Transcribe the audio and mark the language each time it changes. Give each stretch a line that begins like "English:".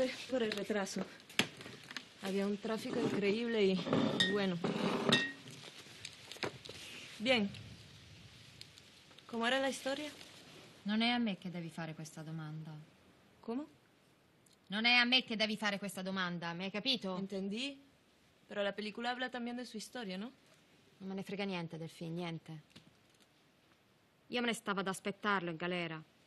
Spanish: Por el retraso. Había un tráfico increíble y bueno. Bien. ¿Cómo era la historia?
Italian: Non è a me che devi fare questa domanda. Come? Non è a me che devi fare questa domanda, mi hai capito?
Spanish: Entendí. Però la película habla también de su historia, no?
Italian: Non me ne frega niente del film, niente. Io me ne stavo ad aspettarlo in galera.